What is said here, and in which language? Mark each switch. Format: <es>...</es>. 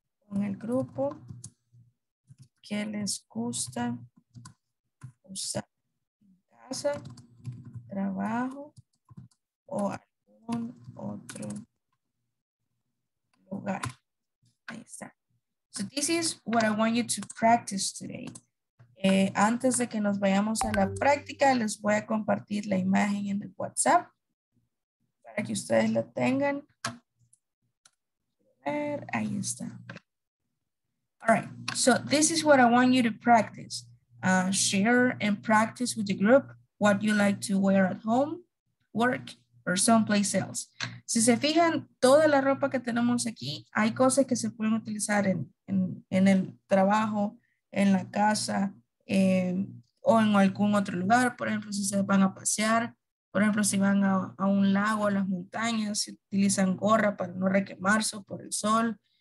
<es>En el grupo que les gusta usar en casa, trabajo o algún otro lugar. Ahí está.</es> <en>So this is what I want you to practice today.</en> <es>Antes de que nos vayamos a la práctica, les voy a compartir la imagen en el WhatsApp para que ustedes la tengan. A ver, ahí está.</es> <en>All right, so this is what I want you to practice. Share and practice with the group what you like to wear at home, work, or someplace else.</en> <es>Si se fijan, toda la ropa que tenemos aquí, hay cosas que se pueden utilizar en el trabajo, en la casa, o en algún otro lugar. Por ejemplo, si se van a pasear, por ejemplo, si van a un lago, a las montañas, si utilizan gorra para no requemarse por el sol.</es>